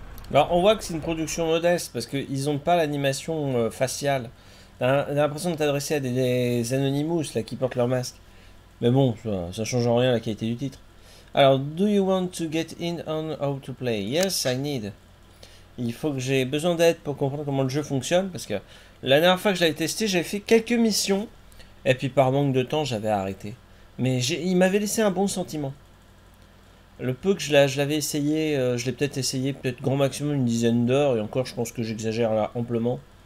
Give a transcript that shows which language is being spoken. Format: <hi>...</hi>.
<fr>Alors, on voit que c'est une production modeste parce qu'ils n'ont pas l'animation faciale. T'as l'impression de t'adresser à des Anonymous là, qui portent leur masque. Mais bon, ça change en rien la qualité du titre.</fr> <en>Alors, do you want to get in on how to play? Yes, I need.</en> <fr>Il faut que j'ai besoin d'aide pour comprendre comment le jeu fonctionne, parce que la dernière fois que je l'avais testé, j'avais fait quelques missions, et puis par manque de temps, j'avais arrêté. Mais il m'avait laissé un bon sentiment. Le peu que je l'avais essayé, je l'ai peut-être essayé, peut-être grand maximum une dizaine d'heures, et encore, je pense que j'exagère là amplement.</fr>